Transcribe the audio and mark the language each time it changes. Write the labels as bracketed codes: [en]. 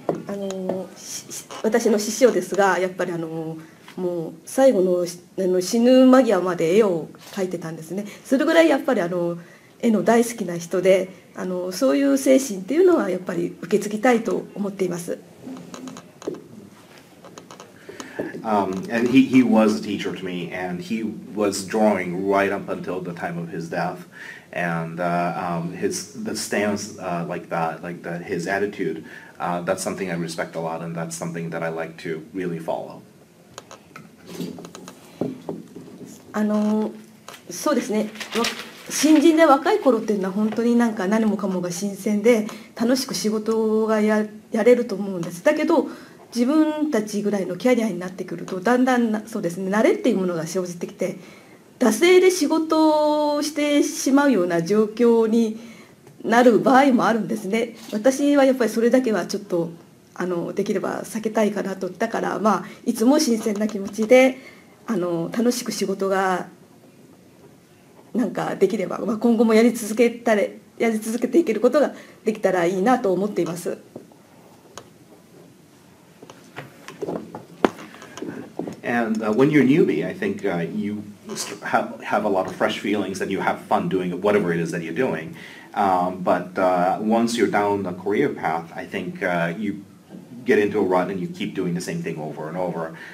[ja] あの私の師匠ですが、やっぱりあのもう最後 の死ぬ間際まで絵を描いてたんですね。それぐらいやっぱりあの絵の大好きな人で、あのそういう精神っていうのはやっぱり受け継ぎたいと思っています。 [en] And he was a teacher to me, and he was drawing right up until the time of his death. And the stance like that, like that, his attitude, that's something I respect a lot, and that's something that I like to really follow. [ja] あのそうですね。新人で若い頃っていうのは本当になんか何もかもが新鮮で楽しく仕事が やれると思うんです。だけど自分たちぐらいのキャリアになってくるとだんだんそうですね、慣れっていうものが生じてきて、惰性で仕事をしてしまうような状況になる場合もあるんですね。私はやっぱりそれだけはちょっとあのできれば避けたいかなと。だからまあいつも新鮮な気持ちであの楽しく仕事がなんかできれば、まあ、今後もやり続けていけることができたらいいなと思っています。 [en] And when you're a newbie, I think you have a lot of fresh feelings and you have fun doing whatever it is that you're doing. But once you're down the career path, I think you get into a rut and you keep doing the same thing over and over.